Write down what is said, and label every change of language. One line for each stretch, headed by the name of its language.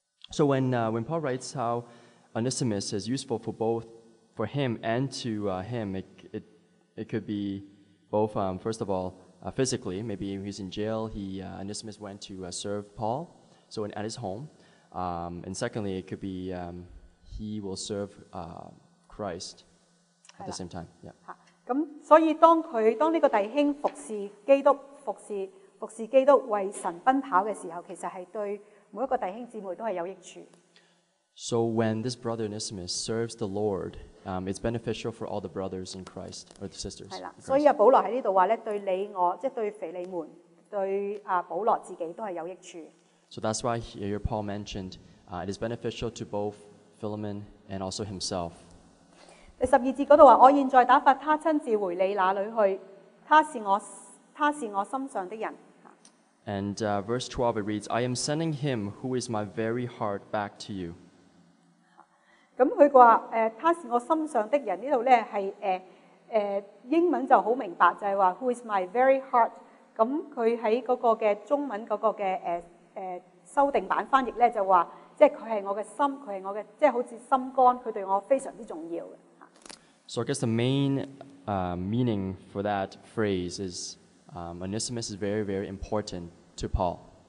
English: So when Paul writes how Onesimus is useful for both for him and to him, it could be both. First of all, physically, maybe he's in jail. Onesimus went to serve Paul, so at his home. And secondly, it could be he will serve Christ at the same time. Yeah.
Cantonese: 咁所以当呢个弟兄服侍基督为神奔跑嘅时候，其实系对每一个弟兄姊妹都系有益处。
English: So when this brother Onesimus serves the Lord, it's beneficial for all the brothers in Christ or the sisters.
Cantonese: 系啦，所以保罗喺呢度话咧，对你我，即系对腓利门，对保罗自己都系有益处。
English: So that's why here Paul mentioned it is beneficial to both Philemon and also himself.
Cantonese: 第十二节嗰度话，我现在打发他亲自回你那里去，他是我心上的人。
English: And verse 12 it reads, I am sending him who is my very heart back to you.
Cantonese: 咁佢话他是我心上的人呢度咧系英文就好明白，就系话
English: who is my very heart。
Cantonese: 咁佢喺嗰个嘅中文嗰个嘅修订版翻译咧就话，即系佢系我嘅心，佢系我嘅，即系好似心肝，佢对我非常之重要嘅。
English: So I guess the main meaning for that phrase is Onesimus is very, very important to Paul.